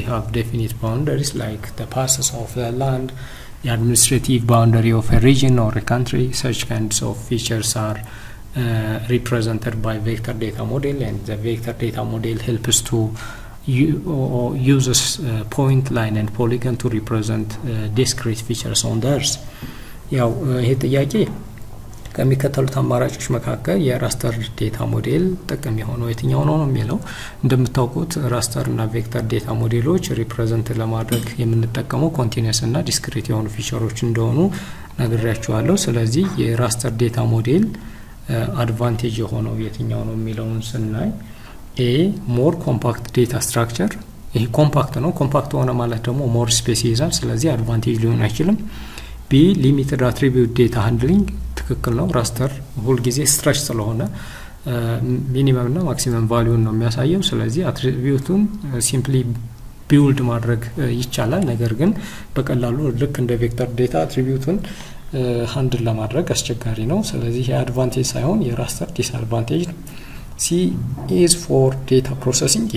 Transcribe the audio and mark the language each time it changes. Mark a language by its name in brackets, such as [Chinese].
[English] They have definite boundaries like the passes of the land, the administrative boundary of a region or a country. Such kinds of features are represented by vector data model, and the vector data model helps to uses point line and polygon to represent discrete features on the earth. [Amharic] ያው ይሄ ጥያቄ ከሚከተሉት አማራጮች መካከል የraster data model ጥቅም የሆነው የትኛው ነው የሚለው እንደምታውቁት raster እና vector data modelዎች represent ለማድረግ የምንጠቀመው continuous እና discrete የሆኑ features እንደሆኑ ነግሬያችኋለሁ። ስለዚህ የraster data model advantage የሆነው የትኛው ነው የሚለውን ስናይ [English] a more compact data structure. [Amharic] ይሄ compact ነው። compact ሆነ ማለት ደግሞ more space ይዛል። ስለዚህ advantage ሊሆን አይችልም። [English] b limited attribute data handling. [Amharic] ትክክል ነው። raster ሁል ጊዜ stretch ስለሆነ minimum እና maximum value ነው የሚያሳየው። ስለዚህ attribute-ን simply build ማድረግ ይቻላል። ነገር ግን በቀላሉ ልክ እንደ vector data attribute-ን handle ለማድረግ አስቸጋሪ ነው። ስለዚህ ይሄ advantage ሳይሆን የraster disadvantage ነው። [English] C is for data processing.